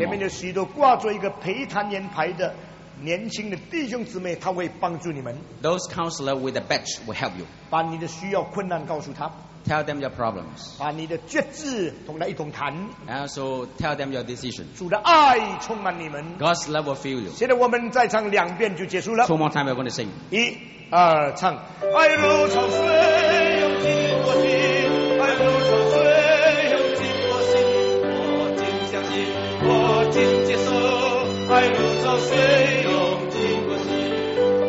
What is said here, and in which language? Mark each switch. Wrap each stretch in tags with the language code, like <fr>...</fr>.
<zh>前面有许多挂着一个陪谈年牌的年轻的弟兄姊妹他会帮助你们</zh> <en>Those counselors with a badge will help you</en> <zh>把你的需要困难告诉他</zh> <en>Tell them your problems.</en> <zh>把你的决志同他一同谈。</zh> <en>Also tell them your decision.</en> <zh>主的爱充满你们。</zh> <en>God's love will fill you.</en> <zh>现在我们再唱两遍就结束了。</zh> <en>Two more times we're going to sing.</en> <zh>一、二、唱。爱如潮水涌进我心，爱如潮水涌进我心，我尽相信，我尽接受，爱如潮水涌进我心，</zh>